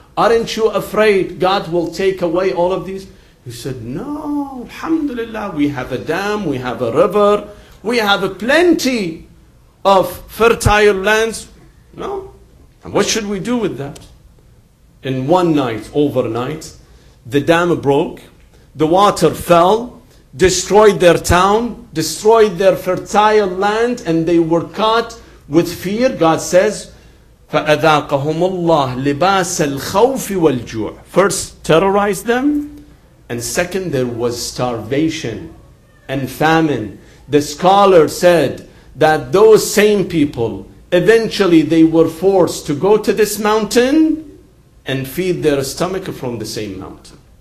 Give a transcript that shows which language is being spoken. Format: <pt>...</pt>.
<en>Aren't you afraid God will take away all of these? He said, no, alhamdulillah, we have a dam, we have a river, we have a plenty of fertile lands. No. And what should we do with that? In one night, overnight, the dam broke, the water fell, destroyed their town, destroyed their fertile land, and they were caught with fear. God says,</en> <ar>فَأَذَاقَهُمُ اللَّهُ لِبَاسَ الْخَوْفِ وَالْجُوعِ.</ar> <en>First, terrorized them. And second, there was starvation and famine. The scholar said that those same people, eventually they were forced to go to this mountain and feed their stomach from the same mountain.</en>